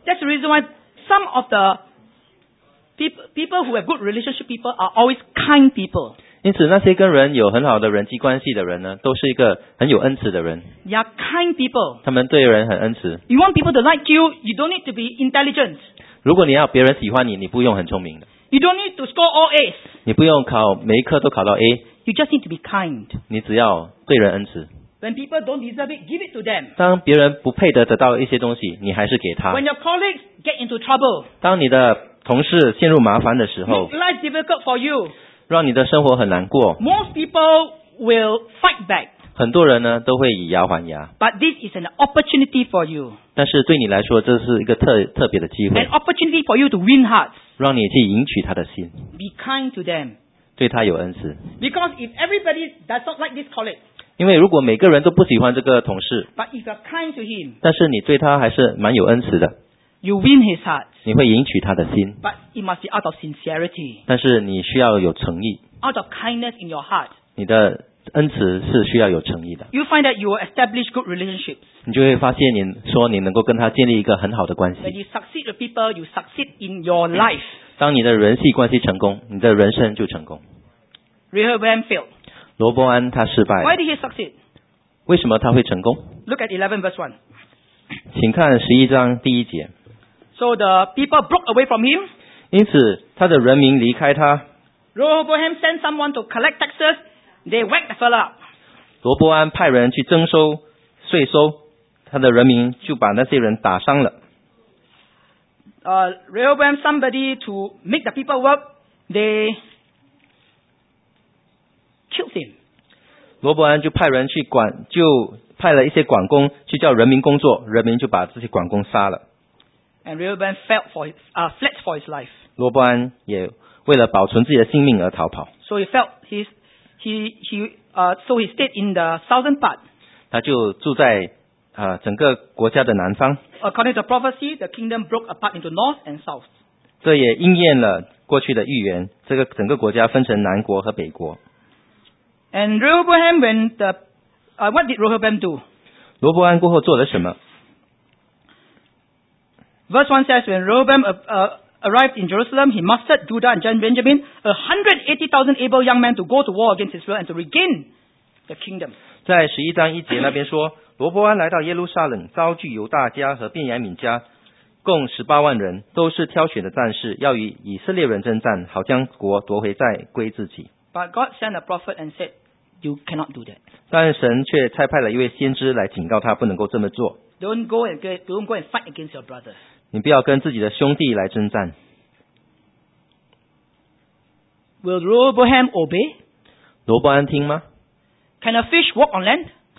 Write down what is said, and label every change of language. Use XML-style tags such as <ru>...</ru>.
<en>That's the reason why some of the people who have good relationship people are always kind people。</en> <zh>因此那些跟人有很好的人际关系的人呢，都是一个很有恩慈的人。</zh> <en>They are kind people.</en> <zh>他们对人很恩慈。</zh> <en>You want people to like you, you don't need to be intelligent.</en> <zh>如果你要别人喜欢你，你不用很聪明的。</zh> <en>You don't need to score all A's.</en> <zh>你不用考每一科都考到 A.</zh> <en>You just need to be kind.</en> <zh>你只要对人恩慈。</zh> <en>When people don't deserve it, give it to them.</en> <zh>当别人不配得到一些东西，你还是给他。</zh> <en>When your colleagues get into trouble.</en> <zh>当你的同事陷入麻烦的时候。</zh> <en>Make life difficult for you.</en> <zh>让你的生活很难过。</zh> <en>Most people will fight back.</en> <zh>很多人呢都会以牙还牙。</zh> <en>But this is an opportunity for you.</en> <zh>但是对你来说，这是一个特别的机会。</zh> <en>An opportunity for you to win hearts.</en> <zh>让你去赢取他的心。</zh> <en>Be kind to them.</en> <zh>对他有恩慈。</zh> <en>Because if everybody does not like this colleague.</en> <zh>因为如果每个人都不喜欢这个同事。</zh> <en>But if you're kind to him.</en> <zh>但是你对他还是蛮有恩慈的。</zh> <en>You win his heart.</en> <zh>你会赢取他的心。</zh> <en>But it must be out of sincerity.</en> <zh>但是你需要有诚意。</zh> <en>Out of kindness in your heart.</en> <zh>你的恩慈是需要有诚意的。</zh> <en>You find that you will establish good relationships.</en> <zh>你就会发现你说你能够跟他建立一个很好的关系。</zh> <en>When you succeed with people, you succeed in your life.</en> <zh>当你的人际关系成功，你的人生就成功。</zh> <en>Rehoboam failed.</en> <zh>罗伯安他失败了。</zh> <en>Why did he succeed?</en> <zh>为什么他会成功？</zh> <en>Look at 11 verse 1.</en> <zh>请看11章第一节。</zh> <en>So the people broke away from him.</en> <zh>因此他的人民离开他。</zh> <en>Rehoboam sent someone to collect taxes. They whacked the fellow up.</en> <zh>罗伯安派人去征收税收，他的人民就把那些人打伤了。</zh> <en>Rehoboam somebody to make the people work. They killed him.</en> <zh>罗伯安就派人去管，就派了一些管工去叫人民工作，人民就把这些管工杀了。</zh> <en>And Rehoboam fled for his life.</en> <zh>罗伯安也为了保存自己的性命而逃跑。</zh> <en>So he felt he stayed in the southern part.</en> <zh>他就住在整个国家的南方。</zh> <en>According to prophecy, the kingdom broke apart into north and south.</en> <zh>这也应验了过去的预言，这个整个国家分成南国和北国。</zh> <en>And Rehoboam went the, what did Rehoboam do?</en> <zh>罗伯安过后做了什么？</zh> <en>Verse 1 says, when Rehoboam arrived in Jerusalem, he mustered Judah and Benjamin, 180,000 able young men to go to war against Israel and to regain the kingdom.</en> <zh>在十一章一节那边说，罗伯安来到耶路撒冷，遭拒犹大家和便雅悯家，共十八万人，都是挑选的战士，要与以色列人征战，好将国夺回再归自己。</zh> <en>But God sent a prophet and said, "You cannot do that."</en> <zh>但神却差派了一位先知来警告他不能够这么做。</zh> <en>Don't go and fight against your brother.</en> <zh>你不要跟自己的兄弟来征战。</zh> <en>Will Rehoboam obey?</en> <zh>罗伯安听吗？</zh> <en>Can a fish walk on land?</en>